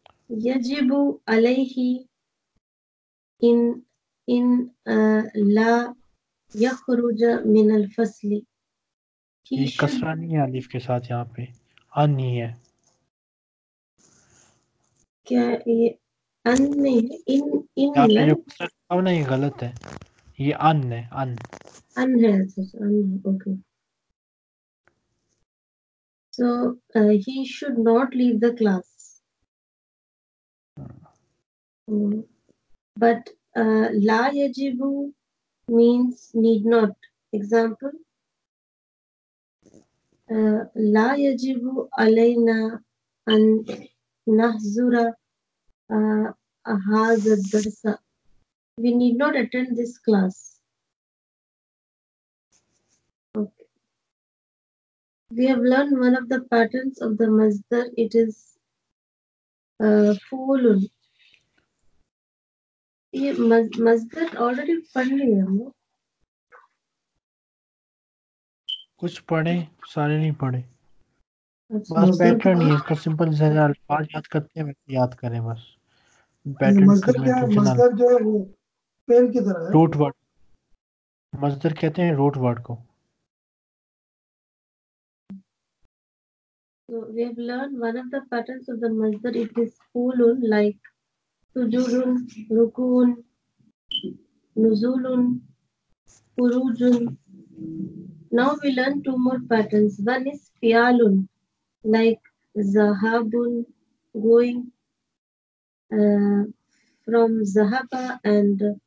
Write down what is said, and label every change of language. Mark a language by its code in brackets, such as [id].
[ar] يجب عليه إن إن لا يخرج من الفصل. [hi] ये कसरा नहीं है अलिफ के साथ यहाँ पे अन नहीं है क्या ये अन नहीं है इन इन ये कसरा अब नहीं गलत है ये अन है अन अन है अन [en] Okay so he should not leave the class But la yajibu means need not. Example, [ar] la yajibu alayna an nahzura hadha darsa. [en] We need not attend this class. Okay. We have learned one of the patterns of the masdar. It is fulun. [hi] ये मजदर already पढ़ लिए हम कुछ पढ़े सारे नहीं पढ़े बस बेटर नहीं है इसका सिंपल ज़्यादा अल्फाज याद करते हैं वैसे याद करें बस बेटर मजदर क्या है मजदर जो है वो पेन की तरह है रूट वर्ड मजदर कहते हैं रूट वर्ड को [en] So we have learn one of the patterns of the मजदर it is फूलून like Sujurun, Rukun, Nuzulun, Purujun. Now we learn two more patterns. One is Fialun, like Zahabun, going from Zahaba and